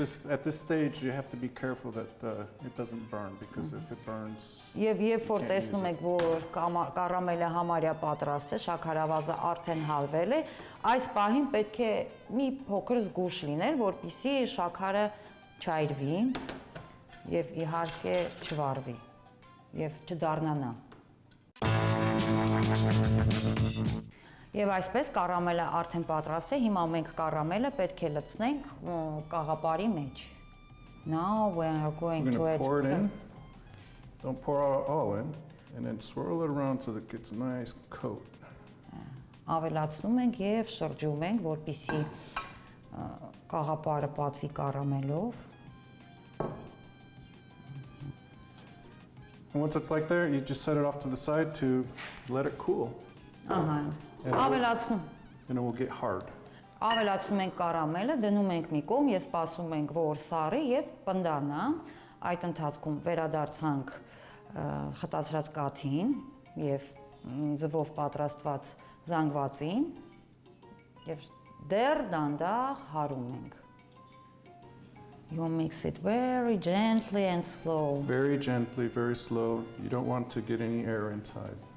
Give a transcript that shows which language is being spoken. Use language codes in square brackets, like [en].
[en] At this stage you have to be careful that it doesn't burn because if it burns. [hy] Եվ երբ որ տեսնում եք, որ կարամելը համարյա պատրաստ է, շաքարավազը արդեն հալվել է, այս պահին պետք է մի փոքր զգուշ լինել, որպեսզի շաքարը չայրվի եւ իհարկե չվառվի եւ չդառնանա։ Եվ այսպես կարամելը արդեն պատրաստ է, հիմա մենք կարամելը պետք է լցնենք կաղապարի մեջ։ [en] Now we are going to add pour it in. Don't pour all in and then swirl it around so that it gets a nice coat. [hy] Ավելացնում ենք եւ շրջում ենք, որպեսզի կաղապարը պատվի կարամելով։ [en] And once it's like there, you just set it off to the side to let it cool. [hy] Ահա։ Ավելացնում։ [en] And it will get hard. [hy] Ավելացնում ենք կարամելը, դնում ենք մի կողմ, ես սպասում ենք, որ սառի եւ պնդանա։ Այդ ընթացքում վերադարձանք խտացած կաթին եւ ձվով պատրաստված զանգվածին եւ դեռ դանդաղ հարում ենք։ [en] You mix it very gently and slow. Very gently, very slow. You don't want to get any air inside.